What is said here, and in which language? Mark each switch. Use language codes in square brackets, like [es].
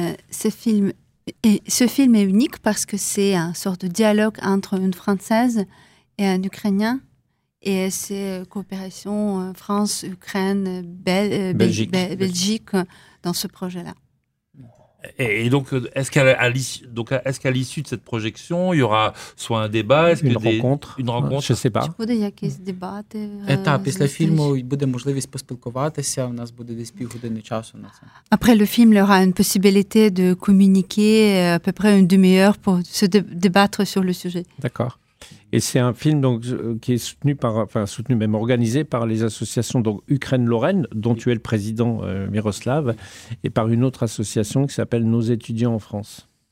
[fr] Ce film est unique parce que c'est une sorte de dialogue entre une Française et un Ukrainien. Et c'est coopération France, Ukraine, Belgique dans ce projet-là. Et donc, est-ce qu'à l'issue de cette projection, il y aura soit un débat, est-ce une rencontre, une rencontre, je ne sais pas. [uk] Чи буде якийсь дебат? [fr] Après le film, il y aura [uk] можливість поспілкуватися, у нас буде десь півгодини часу на це. [fr] Après le film, il y aura une possibilité de communiquer à peu près une demi-heure pour se débattre sur le sujet. D'accord. Et c'est un film donc, qui est organisé par les associations donc Ukraine-Lorraine, dont tu es le président Miroslav, et par une autre association qui s'appelle Nos étudiants en France.